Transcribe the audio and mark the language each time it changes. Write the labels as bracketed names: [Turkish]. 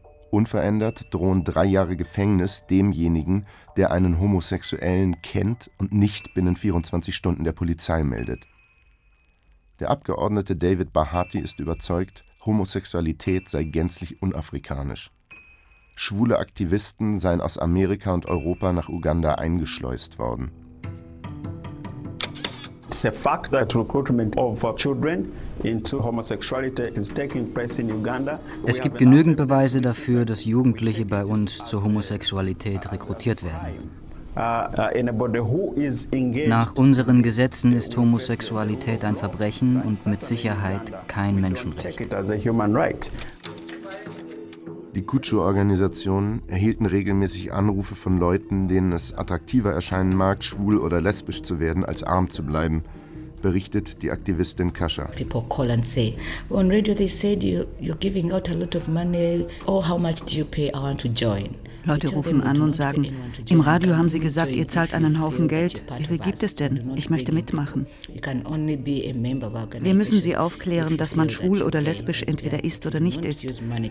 [German] Unverändert drohen 3 Jahre Gefängnis demjenigen, der einen Homosexuellen kennt und nicht binnen 24 Stunden der Polizei meldet. Der Abgeordnete David Bahati ist überzeugt, Homosexualität sei gänzlich unafrikanisch. Schwule Aktivisten seien aus Amerika und Europa nach Uganda eingeschleust worden. [English] It's a fact that recruitment of children into homosexuality is taking place in Uganda. [German] Es gibt genügend Beweise dafür, dass Jugendliche bei uns zur Homosexualität rekrutiert werden. Nach unseren Gesetzen ist Homosexualität ein Verbrechen und mit Sicherheit kein Menschenrecht. Die Kutschu-Organisationen erhielten regelmäßig Anrufe von Leuten, denen es attraktiver erscheinen mag, schwul oder lesbisch zu werden, als arm zu bleiben, berichtet die Aktivistin Kasha. [English] People call and say, on radio they said you're giving out a lot of money. Oh, how much do you pay? I want to join. [German] Leute rufen an und sagen, im Radio haben sie gesagt, ihr zahlt einen Haufen Geld. Wie viel gibt es denn? Ich möchte mitmachen. Wir müssen sie aufklären, dass man schwul oder lesbisch entweder ist oder nicht ist.